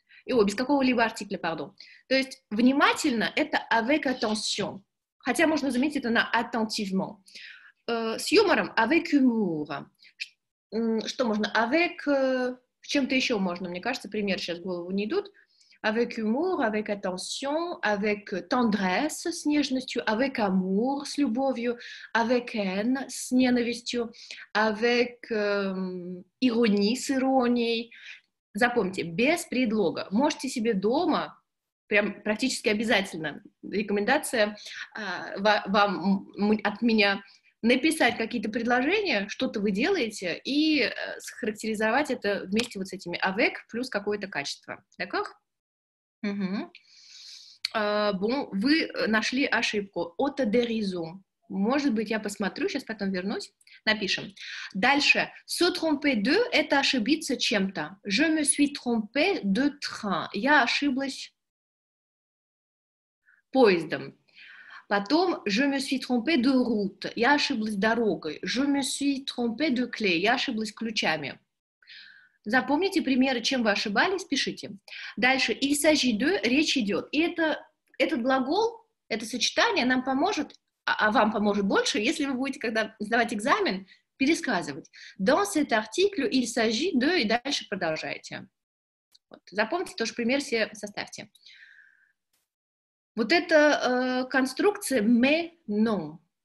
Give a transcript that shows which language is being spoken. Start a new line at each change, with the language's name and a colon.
Russian: о, без какого-либо артикля, pardon. То есть внимательно – это
French: avec attention.
Russian: Хотя можно заметить это на attentivement. С юмором –
French: avec humour.
Russian: Что можно? Avec… чем-то еще можно, мне кажется, примеры сейчас в голову не идут.
French: Avec humour, avec attention, avec tendresse,
Russian: с нежностью,
French: avec amour,
Russian: с любовью,
French: avec haine,
Russian: с ненавистью,
French: avec иронии,
Russian: с иронией. Запомните, без предлога. Можете себе дома, прям практически обязательно, рекомендация вам от меня, написать какие-то предложения, что-то вы делаете, и схарактеризовать это вместе вот с этими avec плюс какое-то качество.
French: D'accord? Угу. Bon,
Russian: вы нашли ошибку.
French: Autodérision.
Russian: Может быть, я посмотрю, сейчас потом вернусь. Напишем. Дальше. Se tromper de – это ошибиться чем-то.
French: Je me suis trompé de train.
Russian: Я ошиблась поездом. Потом
French: je me suis trompé de route.
Russian: Я ошиблась дорогой.
French: Je me suis trompé de clé.
Russian: Я ошиблась ключами. Запомните примеры, чем вы ошибались, пишите. Дальше,
French: il s'agit de,
Russian: речь идет. И этот глагол, это сочетание нам поможет, а вам поможет больше, если вы будете, когда сдавать экзамен, пересказывать.
French: Dans cet article, il s'agit de,
Russian: и дальше продолжаете. Вот. Запомните, тоже пример себе составьте. Вот эта конструкция
French: mais non.